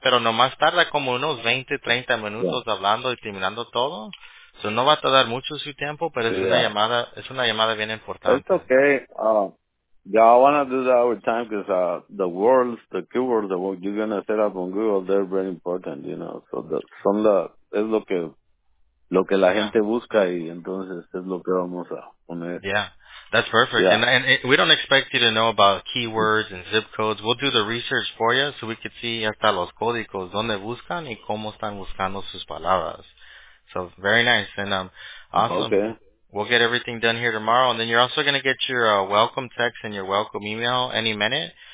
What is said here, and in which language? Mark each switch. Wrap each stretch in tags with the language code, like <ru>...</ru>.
<es>Pero nomás tarda como unos 20, 30 minutos hablando y terminando todo. So no va a tardar mucho su tiempo, pero es una llamada bien importante.</es> <en>It's okay. Yeah, I want to do that over time because the keywords that you're going to set up on Google, they're very important, you know.</en> <es>So es lo que la gente busca y entonces es lo que vamos a poner.</es> <en>Yeah, that's perfect. Yeah. And we don't expect you to know about keywords and zip codes. We'll do the research for you so we can see</en> <es>hasta los códigos, donde buscan y cómo están buscando sus palabras.</es> <en>So very nice and awesome. Okay. We'll get everything done here tomorrow, and then you're also gonna get your welcome text and your welcome email any minute.</en>